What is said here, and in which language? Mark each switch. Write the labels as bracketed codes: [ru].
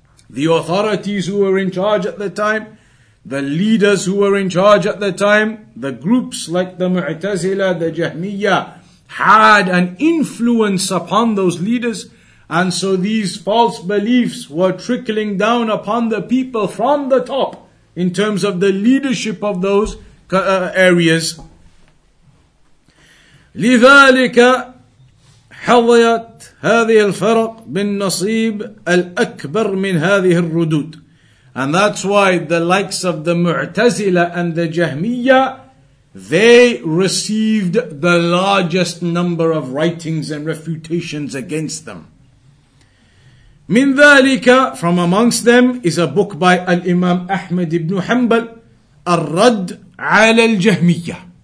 [en] The authorities who were in charge at the time, the leaders who were in charge at the time, the groups like the Mu'tazila, the Jahmiyya, had an influence upon those leaders. And so these false beliefs were trickling down upon the people from the top in terms of the leadership of those areas. [ar] لذلك حظيت هذه الفرق بالنصيب الأكبر من هذه الردود. [en] And that's why the likes of the Mu'tazila and the Jahmiyyah, they received the largest number of writings and refutations against them. [ar] من ذلك, [en] from amongst them, is a book by Al-Imam Ahmad ibn Hanbal, الرد على الجهمية.